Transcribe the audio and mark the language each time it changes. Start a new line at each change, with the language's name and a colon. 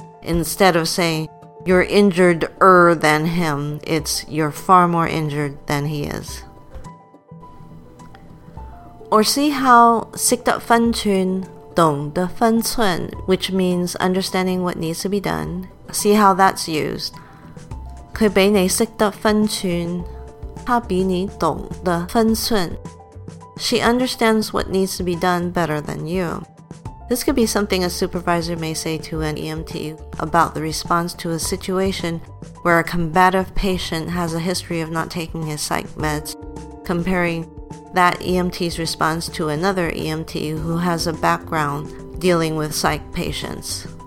English: Instead of saying you're injured-er than him, it's you're far more injured than he is. Or see how 懂得分寸, 懂得分寸, which means understanding what needs to be done. See how that's used.
Chinese: 他比你懂得分寸, 他比你懂得分寸.
English: She understands what needs to be done better than you. This could be something a supervisor may say to an EMT about the response to a situation where a combative patient has a history of not taking his psych meds, comparing that EMT's response to another EMT who has a background dealing with psych patients.